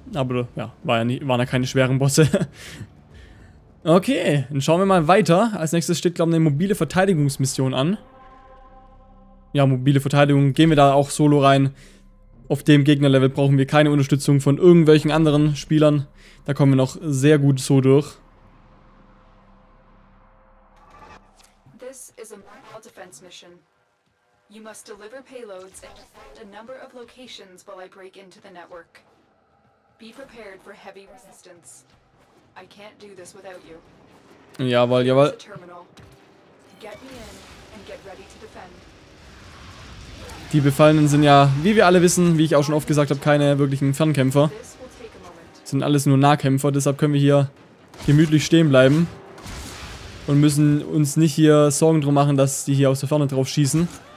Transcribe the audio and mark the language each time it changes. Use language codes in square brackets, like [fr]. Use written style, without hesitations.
[de] Aber ja, waren ja keine schweren Bosse. Okay, dann schauen wir mal weiter. Als nächstes steht, glaube ich, eine mobile Verteidigungsmission an. Ja, mobile Verteidigung. Gehen wir da auch solo rein. Auf dem Gegnerlevel brauchen wir keine Unterstützung von irgendwelchen anderen Spielern. Da kommen wir noch sehr gut so durch. [en] This is a mobile defense mission. You must deliver payloads and defend a number of locations while I break into the network. Be prepared for heavy resistance. I can't do this without you. [de] Jawohl, jawohl. [en] Get me in and get ready to defend. [de] Die Befallenen sind ja, wie wir alle wissen, wie ich auch schon oft gesagt habe, keine wirklichen Fernkämpfer. Sind alles nur Nahkämpfer, deshalb können wir hier gemütlich stehen bleiben. Und müssen uns nicht hier Sorgen drum machen, dass die hier aus der Ferne drauf schießen.